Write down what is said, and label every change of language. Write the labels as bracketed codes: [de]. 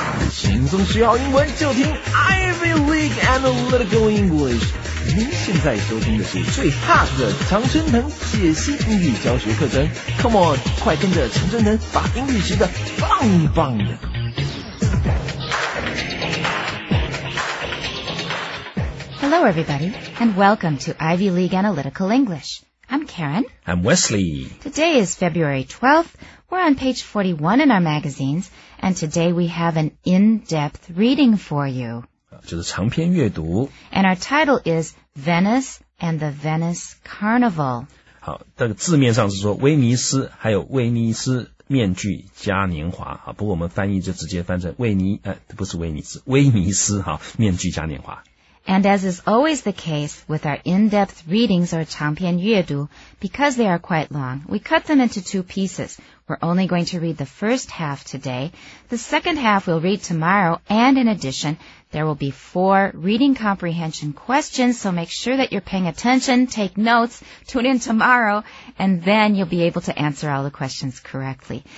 [zh] 轻松学好英文，就听 Ivy League Analytical English。您现在收听的是最 hot 的常春藤解析英语教学课程。 Come on，快跟着常春藤把英语学得棒棒的。 [en] Hello, everybody, and welcome to Ivy League Analytical English. I'm Karen. I'm Wesley. Today is February 12th. We're on page 41 in our magazines, and today we have an in-depth reading for you. [zh] 就是长篇阅读。 [en] And our title is Venice and the Venice Carnival. [zh] 好，这个字面上是说威尼斯还有威尼斯面具嘉年华啊，不过我们翻译就直接翻成威尼斯面具嘉年华。 [en] And as is always the case with our in-depth readings or 长篇阅读, because they are quite long, we cut them into two pieces. We're only going to read the first half today. The second half we'll read tomorrow, and in addition, there will be four reading comprehension questions, so make sure that you're paying attention, take notes, tune in tomorrow, and then you'll be able to answer all the questions correctly.